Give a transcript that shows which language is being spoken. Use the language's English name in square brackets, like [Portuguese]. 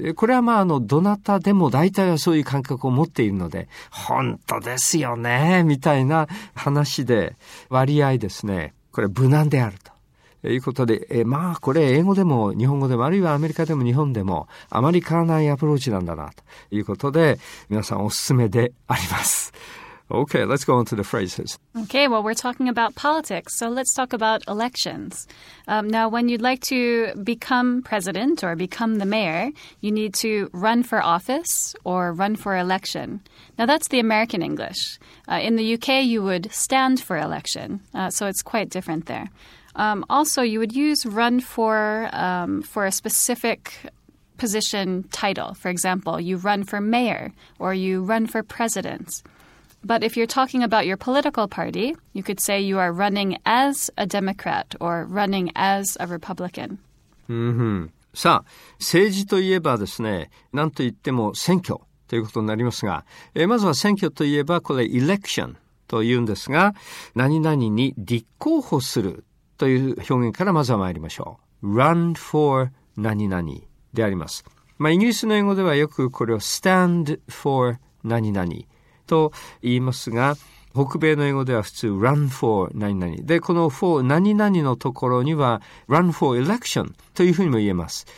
[Japanese] これはまあどなたでも大体はそういう感覚を持っているので、本当ですよねみたいな話で割合ですね、これ無難であるということで、まあこれ英語でも日本語でも、あるいはアメリカでも日本でもあまり変わらないアプローチなんだなということで、皆さんおすすめであります。 [English] Okay, let's go on to the phrases. Okay, well, we're talking about politics, so let's talk about elections. Now, when you'd like to become president or become the mayor, you need to run for office or run for election. Now, that's the American English. In the UK, you would stand for election, so it's quite different there. Also, you would use run for a specific position title. For example, you run for mayor or you run for president. But if you're talking about your political party, you could say you are running as a Democrat or running as a Republican. Mm-hmm. [Japanese] さあ、政治といえばですね、なんといっても選挙ということになりますが、まずは選挙といえばこれ election というんですが、何々に立候補するという表現からまずは参りましょう。 Run for 何々であります。まあ、イギリスの英語ではよくこれを stand for 何々と言いますが、北米の英語では普通 run for 何々で、この for 何々のところには run for election というふうにも言えます。